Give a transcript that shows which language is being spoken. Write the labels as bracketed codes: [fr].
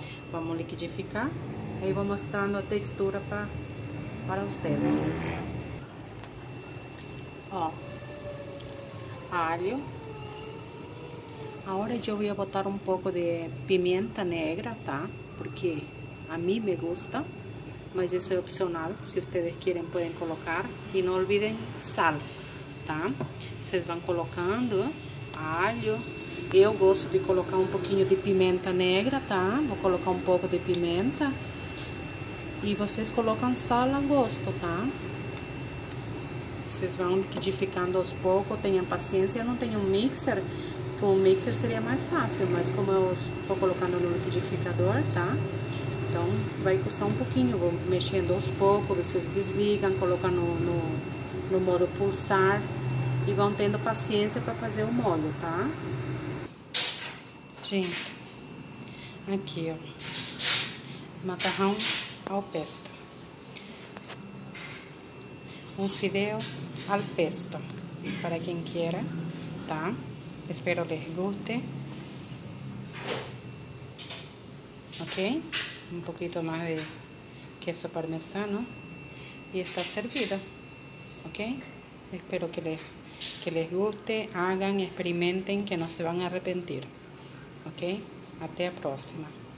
[pt] Vamos liquidificar, aí vou mostrando a textura para vocês. Ó, alho. Agora eu vou botar um pouco de pimenta negra, tá? [es] Porque a mí me gusta, mas eso es opcional. Si ustedes quieren pueden colocar, y no olviden sal, ¿tá? Ustedes van colocando alho. [pt] Eu gosto de colocar [es] un poquito de pimenta negra, ¿tá? Voy a colocar un poco de pimenta y ustedes colocan sal a gusto, ¿tá? Ustedes van liquidificando [pt] aos poucos, [es] tengan paciencia. No tengo un mixer. [pt] Com o mixer seria mais fácil, mas como eu estou colocando no liquidificador, tá? Então vai custar um pouquinho, vou mexendo aos poucos, vocês desligam, colocam no modo pulsar e vão tendo paciência para fazer o molho, tá? Gente, aqui ó, macarrão ao pesto. Um fideu al pesto, para quem queira, tá? [es] Espero les guste. Ok, un poquito más de queso parmesano y está servido. Ok, espero que les guste. Hagan, experimenten, que no se van a arrepentir. Ok, hasta la próxima.